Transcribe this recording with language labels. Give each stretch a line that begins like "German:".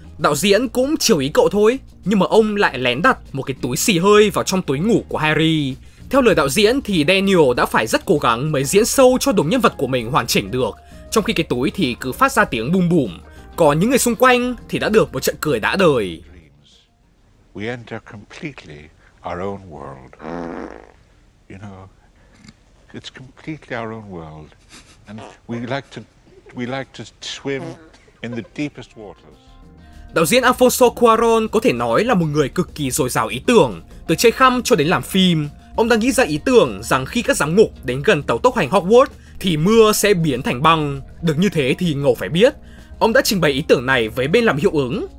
Vietnamese: Đạo diễn cũng chiều ý cậu thôi, nhưng mà ông lại lén đặt một cái túi xì hơi vào trong túi ngủ của Harry. Theo lời đạo diễn thì Daniel đã phải rất cố gắng mới diễn sâu cho đúng nhân vật của mình hoàn chỉnh được, trong khi cái túi thì cứ phát ra tiếng bùm bùm. Còn những người xung quanh thì đã được một trận cười đã đời.
English: We enter completely our own world. You know, it's completely our own world. And we like to swim in the deepest waters.
Vietnamese: Đạo diễn Alfonso Cuarón có thể nói là một người cực kỳ dồi dào ý tưởng, từ chơi khăm cho đến làm phim. Ông đã nghĩ ra ý tưởng rằng khi các giám ngục đến gần tàu tốc hành Hogwarts thì mưa sẽ biến thành băng. Được như thế thì ngầu phải biết. Ông đã trình bày ý tưởng này với bên làm hiệu ứng.